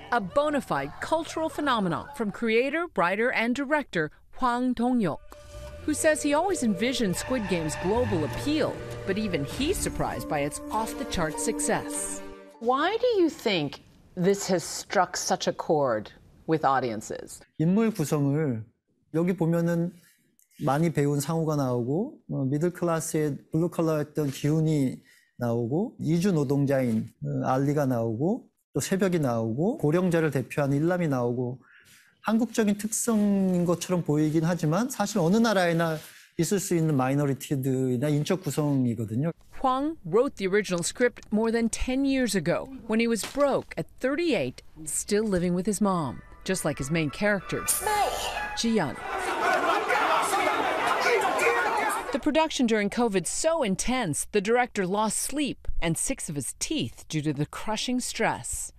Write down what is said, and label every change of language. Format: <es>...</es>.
<en>A bona fide cultural phenomenon from creator, writer, and director Hwang Dong-hyuk, who says he always envisioned Squid Game's global appeal, but even he's surprised by its off-the-chart success. Why do you think this has struck such a chord with audiences?</en> <ko>인물 구성을 여기 보면은 많이 배운 상우가 나오고 미들 클래스의 블루 컬러였던 기훈이 나오고 이주 노동자인 알리가 나오고 또 새벽이 나오고 고령자를 대표하는 일람이 나오고 한국적인 특성인 것처럼 보이긴 하지만 사실 어느 나라에나 있을 수 있는 마이너리티들이나 인적 구성이거든요.</ko> <en>Hwang wrote the original script more than 10 years ago when he was broke at 38, still living with his mom, just like his main character, Ji-yeon. The production during COVID so intense, the director lost sleep and six of his teeth due to the crushing stress.</en>